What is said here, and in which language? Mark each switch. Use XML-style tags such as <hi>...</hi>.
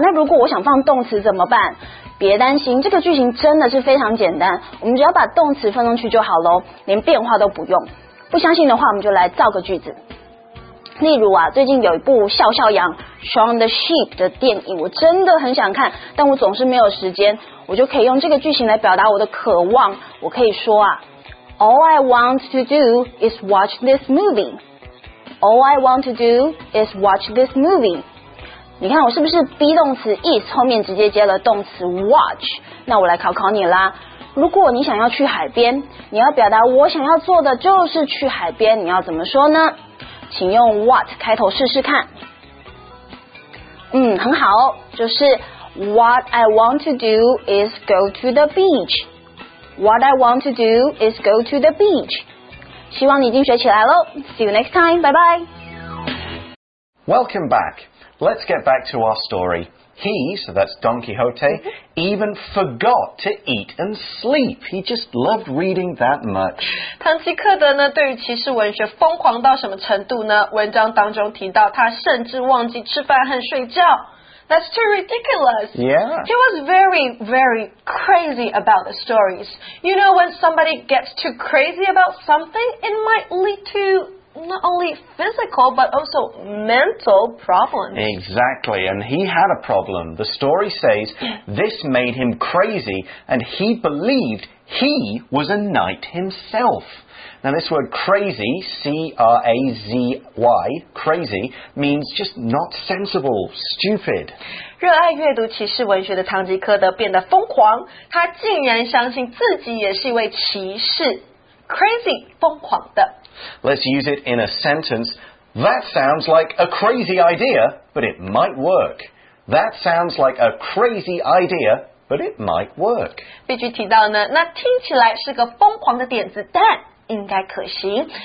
<zh>那如果我想放动词怎么办？别担心，这个句型真的是非常简单，我们只要把动词放上去就好咯，连变化都不用。不相信的话我们就来造个句子，例如啊，最近有一部笑笑羊 Shaun the Sheep 的电影，我真的很想看，但我总是没有时间。我就可以用这个句型来表达我的渴望。我可以说啊，</zh> <en>All I want to do is watch this movie. All I want to do is watch this movie.</en> <zh>你看我是不是 be 动词 is 后面直接接了动词 watch？那我来考考你啦，如果你想要去海边，你要表达我想要做的就是去海边，你要怎么说呢？请用 what 开头试试看。嗯，很好，就是</zh> <en>what I want to do is go to the beach. What I want to do is go to the beach.</en> <zh>希望你已经学起来喽。</zh> <en>See you next time. Bye bye. Welcome back. Let's get back to our story. He, so that's Don Quixote, even forgot to eat and sleep. He just loved reading that much.</en> <zh>唐吉诃德呢，对于骑士文学疯狂到什么程度呢？文章当中提到，他甚至忘记吃饭和睡觉。</zh> <en>That's too ridiculous. Yeah. He was very, very crazy about the stories. You know, when somebody gets too crazy about something, it might lead to not only physical, but also mental problems. Exactly, and he had a problem. The story says this made him crazy, and he believed he was a knight himself. Now, this word crazy, C-R-A-Z-Y, crazy, means just not sensible, stupid.</en> <zh>热爱阅读骑士文学的唐吉诃德变得疯狂，他竟然相信自己也是一位骑士。 Crazy, 疯狂的。</zh> <en>Let's use it in a sentence. That sounds like a crazy idea, but it might work. That sounds like a crazy idea, but it might work.</en> <zh>必须提到呢，那听起来是个疯狂的点子，但应该可行。</zh>